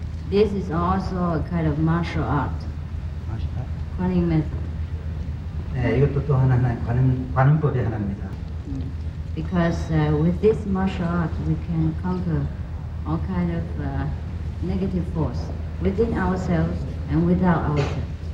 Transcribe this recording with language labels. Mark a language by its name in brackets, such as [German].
[English] This is also a kind of martial art. Guanyin method. [Korean] 네, 이것도 또 하나의 관음법이 하나입니다. [English] Because with this martial art, we can conquer all kind of negative force within ourselves and without ourselves.